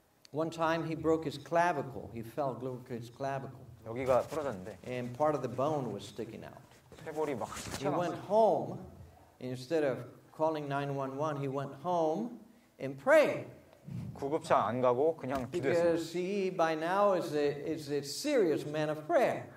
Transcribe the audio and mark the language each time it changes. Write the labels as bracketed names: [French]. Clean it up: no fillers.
[English] One time he broke his clavicle. He fell broke his clavicle. [Korean] 여기가 부러졌는데. [English] And part of the bone was sticking out. [Korean] 쇄골이 막. [English] He went home. Instead of calling 911, he went home and prayed. [Korean] 구급차 안 가고 그냥 기도했어요. [English] Because he by now is a serious man of prayer.